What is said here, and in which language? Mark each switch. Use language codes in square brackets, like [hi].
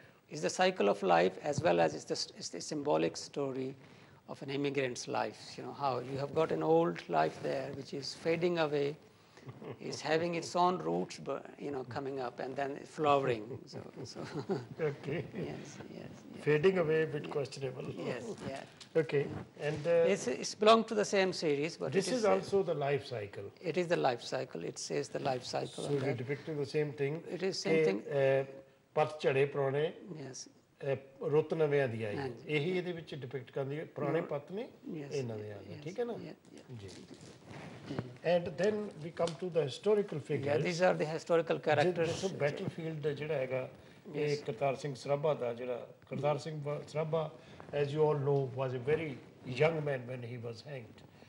[en] is the cycle of life as well as it's the symbolic story of an immigrant's life you know how you have got an old life there which is fading away is having its own roots but you know coming up and then flowering so okay yes fading away a bit questionable yes yeah okay and it's belong to the same series but this is also the life cycle it is the life cycle it says the life cycle so you're depicting the same thing it is same thing [pa] ਪਤਝੜੇ ਪੁਰਾਣੇ [en] ਯੈਸ [pa] ਰੁੱਤ ਨਵਿਆਂ ਦੀ ਆਈ ਇਹੀ ਇਹਦੇ ਵਿੱਚ depict ਕਰਦੀ ਹੈ ਪੁਰਾਣੇ ਪੱਤ ਨੇ ਇਹ ਨਵਿਆਂ ਦੇ ਠੀਕ ਹੈ ਨਾ ਜੀ [en] and then we come to the historical figure ਯਾ these are the historical characters so battlefield [pa] ਜਿਹੜਾ ਹੈਗਾ ਇਹ [en] Kartar Singh Sarabha [pa] ਦਾ ਜਿਹੜਾ [en] Kartar Singh Sarabha as you all know was a very young man when he was hanged